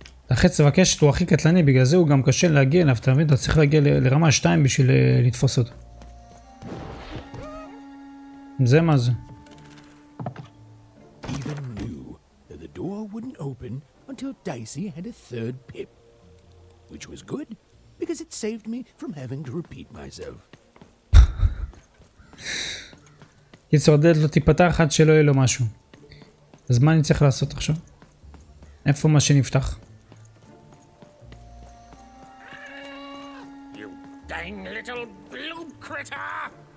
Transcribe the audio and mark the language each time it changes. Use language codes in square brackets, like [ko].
[he] החץ והקשת הוא הכי קטלני, בגלל זה הוא גם קשה להגיע אליו, אתה מבין? אתה צריך להגיע לרמה 2 בשביל לתפוס אותו. זה מה זה? [en] Even knew that the door wouldn't open until Dicey had a third pip, which was good because it saved me from having to repeat myself. [he] קיצור, הדלת לא תיפתח עד שלא יהיה לו משהו. אז מה אני צריך לעשות עכשיו? איפה מה שנפתח? [en] You dang little blue critter!